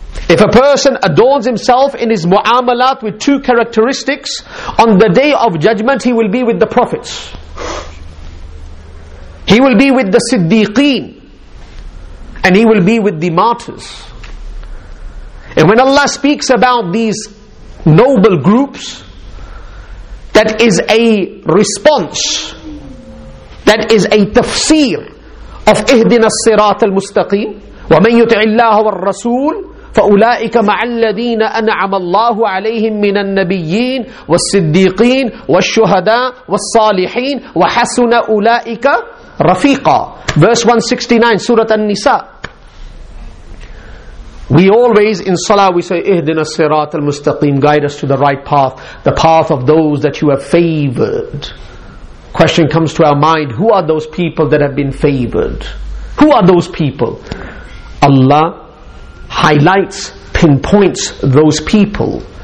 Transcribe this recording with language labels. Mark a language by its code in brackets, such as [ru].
[en] If a person adorns himself in his mu'amalat with two characteristics, on the day of judgment he will be with the prophets. He will be with the siddiqeen. And he will be with the martyrs. And when Allah speaks about these noble groups, that is a response, that is a tafsir of [ar] اِهْدِنَا الصِّرَاطَ الْمُسْتَقِيمِ وَمَنْ يُتِعِ اللَّهَ وَالرَّسُولِ فَأُولَٰئِكَ مَعَ الَّذِينَ أَنْعَمَ اللَّهُ عَلَيْهِمْ مِنَ النَّبِيِّينَ وَالصِّدِّيقِينَ وَالشُّهَدَاءِ وَالصَّالِحِينَ وَحَسُنَ أُولَٰئِكَ رَفِيقًا. [en] Verse 169, Surah An-Nisa. We always in Salah we say, [ar] اِهْدِنَا الصِّرَاطَ الْمُسْتَقِيمِ, [en] guide us to the right path, the path of those that you have favored. Question comes to our mind, who are those people that have been favored? Who are those people? Allah highlights, pinpoints those people.